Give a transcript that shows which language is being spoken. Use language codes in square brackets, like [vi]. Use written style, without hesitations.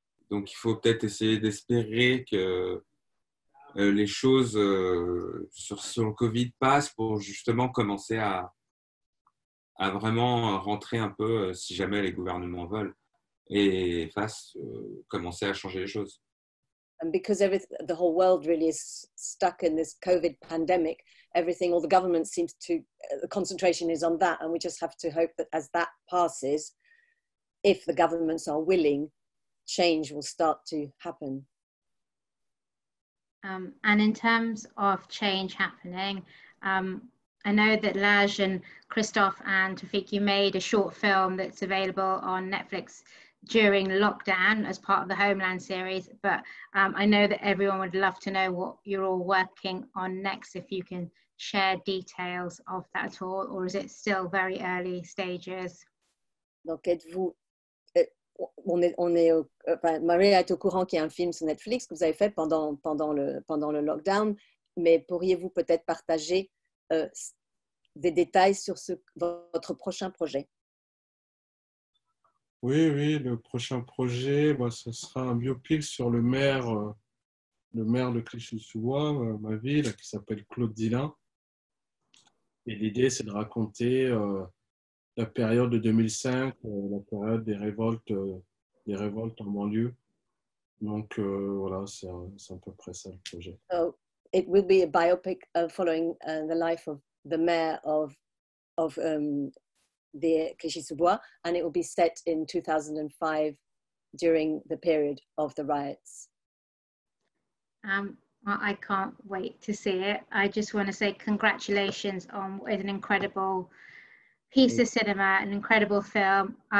[fr] Donc, il faut peut-être essayer d'espérer que les choses sur le COVID passent pour justement commencer à vraiment rentrer un peu, si jamais les gouvernements veulent, et commencer à changer les choses. [en] And because the whole world really is stuck in this COVID pandemic, everything, all the government seems to, the concentration is on that, and we just have to hope that as that passes, if the governments are willing, change will start to happen. And in terms of change happening, I know that Ladj and Christophe and Toufik, you made a short film that's available on Netflix during lockdown as part of the Homeland series, but I know that everyone would love to know what you're all working on next, if you can share details of that at all, or is it still very early stages? [fr] Donc êtes-vous Maria est au courant qu'il y a un film sur Netflix que vous avez fait pendant le lockdown, mais pourriez-vous peut-être partager des détails sur votre prochain projet? Oui, le prochain projet, ce sera un biopic sur le maire de Clichy-sous-Bois, ma ville, qui s'appelle Claude Dillin. Et l'idée, c'est de raconter la période de 2005, la période des révoltes en banlieue. Donc voilà, c'est à peu près ça le projet. [en] So it will be a biopic following the life of the mayor of the Clichy-sous-Bois, and it will be set in 2005 during the period of the riots. I can't wait to see it. I just want to say congratulations on an incredible piece of cinema, an incredible film.